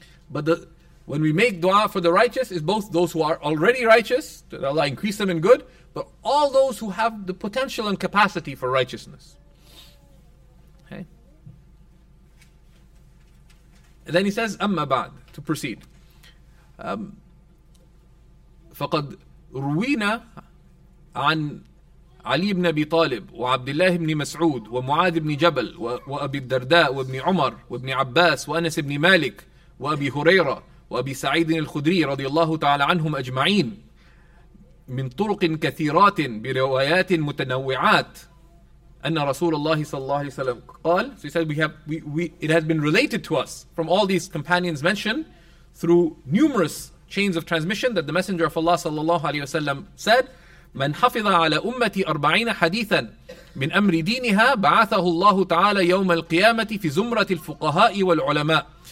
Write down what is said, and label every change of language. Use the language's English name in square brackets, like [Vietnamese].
[English] But the when we make dua for the righteous, is both those who are already righteous, that Allah increase them in good, but all those who have the potential and capacity for righteousness. Okay. And then he says, "Amma ba'd," to proceed. [Arabic] فَقَدْ رُوِينَا عَنْ عَلِي بْنَ أَبِي طَالِبٍ وَعَبْدِ اللَّهِ بْنِ مَسْعُودٍ وَمُعَاذِ بْنِ جَبَلٍ وَأَبِي الدَّرْدَاءِ وَابْنِ عُمَرَ وَابْنِ عَبَّاسٍ وَأَنَسِ بْنِ مَالِكٍ وَأَبِي هُرَيْرَةَ وأبي سعيد الخدري رضي الله تعالى عنهم أجمعين من طرق كثيرات بروايات متنوعات أن رسول الله صلى الله عليه وسلم قال. [English] So he said it has been related to us from all these companions mentioned through numerous chains of transmission that the Messenger of Allah صلى الله عليه وسلم said, [Arabic] من حفظ على أمتي 40 حديثا من أمر دينها بعثه الله تعالى يوم القيامة في زمرة الفقهاء والعلماء.